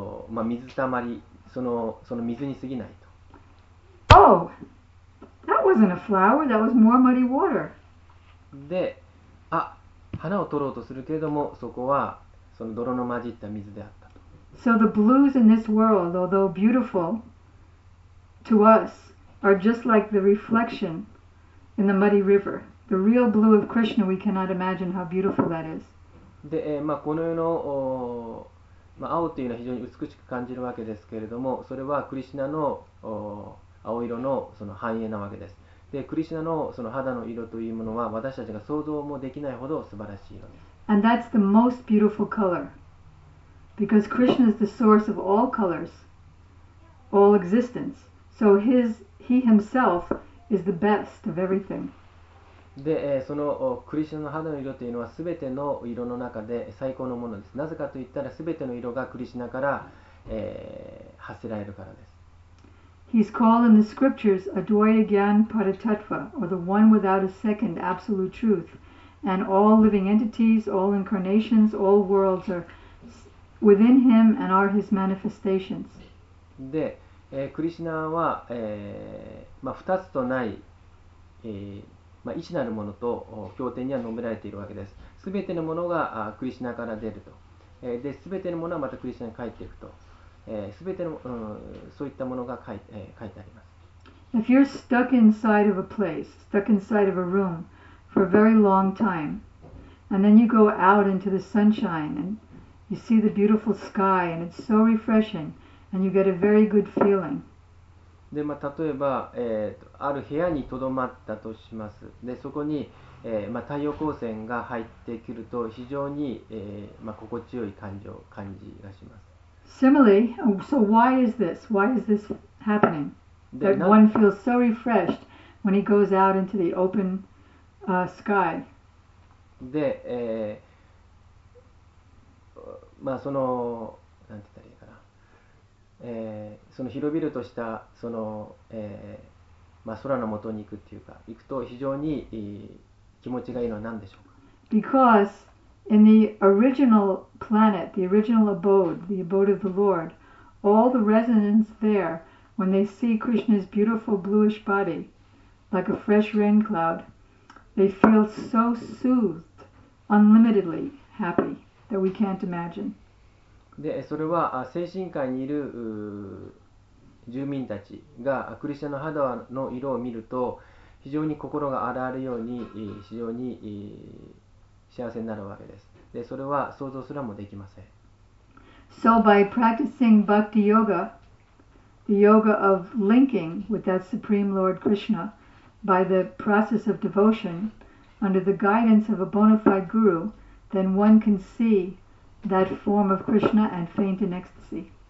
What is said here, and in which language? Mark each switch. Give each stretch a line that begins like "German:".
Japanese: まあ、水たまり、その水に過ぎないと。
English: Oh! That wasn't a flower, that was more muddy water.
Japanese: で、あ、花を取ろうとするけれども、そこはその泥の混じった水であったと。
English: So the blues in this world, although beautiful to us, are just like the reflection in the muddy river. The real blue of Krishna, we cannot imagine how beautiful that is.
Japanese: で、まあ、この世のまあ、青というのは非常に美しく感じるわけですけれども、それはクリシナの青色 その繁栄なわけです。で、クリシナ その肌の色というものは私たちが想像もできないほど素晴らしい色です。
English: And that's the most beautiful color. Because Krishna is the source of all colors, all existence. So he himself is the best of everything.
Japanese: で、そのクリシナの肌の色というのは全ての色の中で最高のものです。なぜかといったら全ての色がクリシナから、発せられるからです。
English: He's called in the scriptures Adwaitagyan Paritattva, or the one without a second absolute truth. And all living entities, all incarnations, all worlds are within him and are his manifestations.
Japanese: で、クリシナは、まあ、二つとない、まあ、一なるものと経典には述べられているわけです。すべてのものがクリシナから出ると。で、すべてのものはまたクリシナに帰っていくと。すべての、そういったものが書いてあります。
English: If you're stuck inside of a place, stuck inside of a room for a very long time, and then you go out into the sunshine and you see the beautiful sky and it's so refreshing and you get a very good feeling.
Japanese: でまあ、例えば、ある部屋にとどまったとします。でそこに、まあ、太陽光線が入ってくると非常に、まあ、心地よい感じがします。
English: Similarly, so why is this? Why is this happening? That one feels so refreshed when he goes out into the open sky.
Japanese: で、まあそのなんて言ったらいいかな、その広々としたその、まあ、空のもとに行くっていうか、行くと非常にいい気持ちがいいのは何でしょうか
English: ？Because in the original planet, the original abode, the abode of the Lord, all the residents there, when they see Krishna's beautiful bluish body, like a fresh rain cloud, they feel so soothed. Unlimitedly happy that we can't imagine.
Japanese: で、それは精神界にいる住民たちがクリシュナの肌の色を見ると非常に心が洗えるように非常に幸せになるわけです。で、それは想像すらもできません。
English: So by practicing bhakti yoga, the yoga of linking with that supreme Lord Krishna, by the process of devotion. Under the guidance of a bona fide guru, then one can see that form of Krishna and faint in ecstasy.